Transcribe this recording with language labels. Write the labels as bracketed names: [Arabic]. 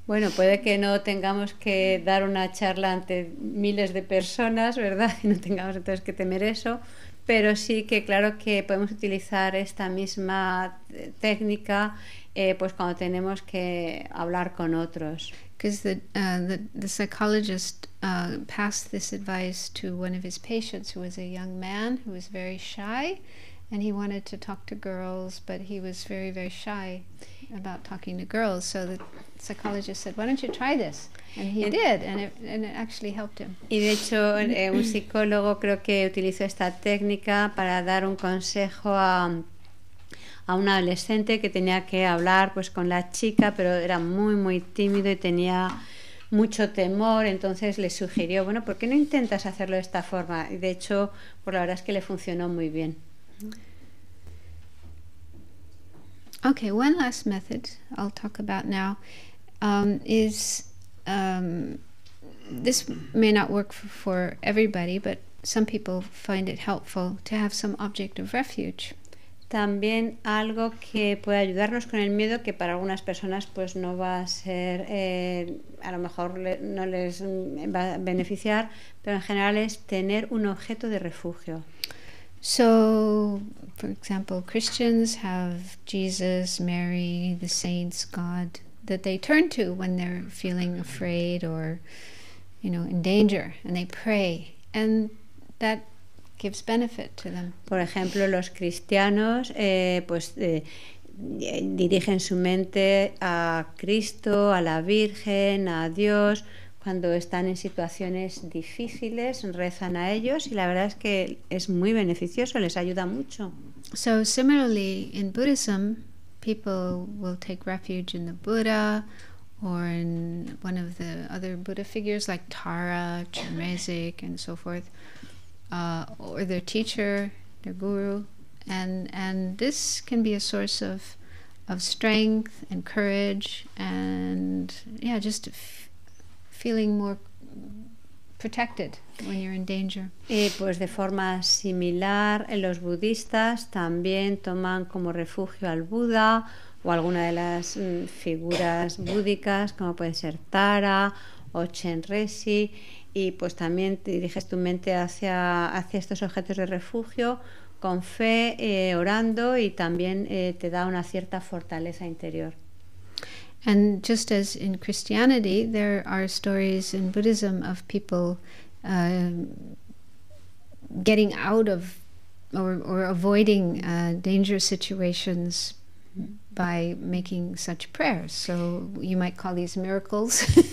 [Spanish] Bueno, puede que no tengamos que dar una charla ante miles de personas, ¿verdad? Y no tengamos entonces que temer eso, pero sí que claro que podemos utilizar esta misma técnica pues cuando tenemos que hablar con otros. [English] Because the psychologist passed this advice to one of his patients, who was a young man who was very shy, and he wanted to talk to girls, but he was very, very shy about talking to girls. So the psychologist said, "Why don't you try this?" And he did, and it actually helped him. [Spanish] Y de hecho, un psicólogo creo que utilizó esta técnica para dar un consejo a un adolescente que tenía que hablar pues con la chica, pero era muy muy tímido y tenía mucho temor. Entonces le sugirió, bueno, ¿por qué no intentas hacerlo de esta forma? Y de hecho, pues la verdad es que le funcionó muy bien. [English] Okay, one last method I'll talk about now is this may not work for everybody, but some people find it helpful to have some object of refuge. [Spanish] También algo que puede ayudarnos con el miedo, que para algunas personas pues no va a ser, a lo mejor no les va a beneficiar, pero en general es tener un objeto de refugio. [English] So, for example, Christians have Jesus, Mary, the saints, God, that they turn to when they're feeling afraid or, you know, in danger, and they pray, and that gives benefit to them. [Spanish] Por ejemplo, los cristianos dirigen su mente a Cristo, a la Virgen, a Dios, cuando están en situaciones difíciles, rezan a ellos, y la verdad es que es muy beneficioso, les ayuda mucho. [English] So similarly, in Buddhism, people will take refuge in the Buddha or in one of the other Buddha figures like Tara, Chimezic, and so forth. Or their teacher, their guru, and this can be a source of strength and courage, and yeah, just feeling more protected when you're in danger. [Spanish] Pues de forma similar, los budistas también toman como refugio al Buda o alguna de las figuras búdicas, como puede ser Tara o Chenresi. Y pues también te diriges tu mente hacia estos objetos de refugio con fe, orando, y también te da una cierta fortaleza interior. [English] And just as in Christianity there are stories in Buddhism of people getting out of or avoiding dangerous situations by making such prayers, so you might call these miracles.